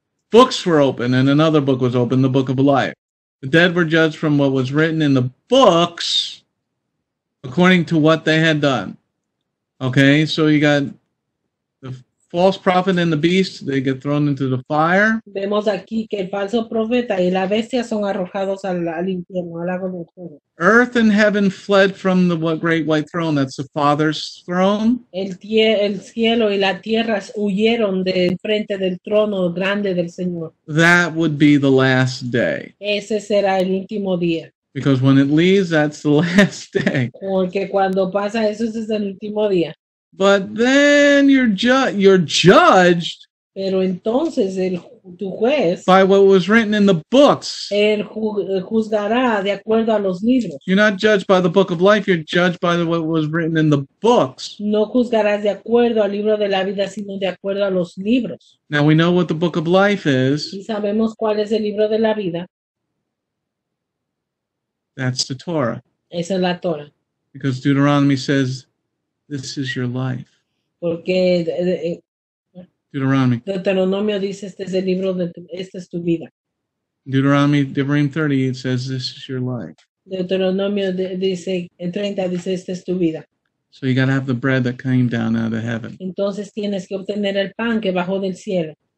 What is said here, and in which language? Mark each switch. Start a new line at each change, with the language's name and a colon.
English: Books were open, and another book was opened, the book of life. The dead were judged from what was written in the books according to what they had done. Okay, so you got the false prophet and the beast, they get thrown into the fire.
Spanish: Vemos aquí que el falso profeta y la bestia son arrojados al infierno, al lago de fuego.
English: Earth and heaven fled from the great white throne, that's the Father's throne.
Spanish: El cielo y la tierra huyeron de frente del trono grande del Señor.
English: That would be the last day.
Spanish: Ese será el último día.
English: Because when it leaves, that's the last day.
Spanish: Porque cuando pasa eso, ese es el último día.
English: But then you're judged.
Spanish: Pero entonces tu juez,
English: by what was written in the books.
Spanish: Él juzgará de acuerdo a los libros.
English: You're not judged by the book of life, you're judged by what was written in the books.
Spanish: No juzgarás de acuerdo al libro de la vida, sino de acuerdo a los libros.
English: Now we know what the book of life is.
Spanish: Y sabemos cuál es el libro de la vida.
English: That's the Torah.
Spanish: Esa es la Torah.
English: Because Deuteronomy says, this is your life.
Spanish: Porque
English: Deuteronomy.
Spanish: Deuteronomio dice, este es el libro de esta es tu vida.
English: Deuteronomy, Devarim 30, it says, this is your life.
Spanish: Deuteronomio dice, en 30, dice, este es tu vida.
English: So you got to have the bread that came down out of heaven.
Spanish: Entonces tienes que obtener el pan que bajó del cielo.